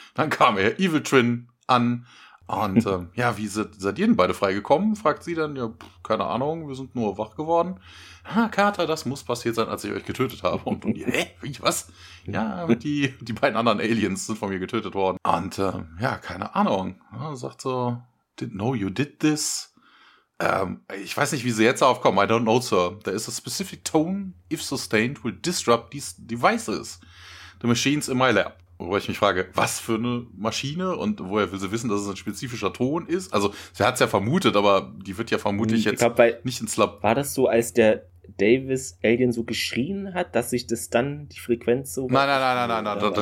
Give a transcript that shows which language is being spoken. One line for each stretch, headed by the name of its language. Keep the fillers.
German: Dann kam er, Evil Twin, an. Und ähm, ja, wie seid, seid ihr denn beide freigekommen? fragt sie dann. Ja, pff, keine Ahnung, wir sind nur wach geworden. Ha, Kater, das muss passiert sein, als ich euch getötet habe. Und, und hä, wie, was? Ja, die, die beiden anderen Aliens sind von mir getötet worden. Und ähm, ja, keine Ahnung. Ja, sagt so,
English: didn't know you did this.
German: Ähm, ich weiß nicht, wie sie jetzt aufkommen.
English: I don't know, sir. There is a specific tone, if sustained, will disrupt these devices. The machines in my lab.
German: Wobei ich mich frage, was für eine Maschine und woher will sie wissen, dass es ein spezifischer Ton ist? Also, sie hat es ja vermutet, aber die wird ja vermutlich Ich jetzt glaub, bei- nicht ins Lab. War das so, als der Davis Alien so geschrien hat, dass sich das dann die Frequenz so. Nein, nein, nein, nein, nein, nein. Der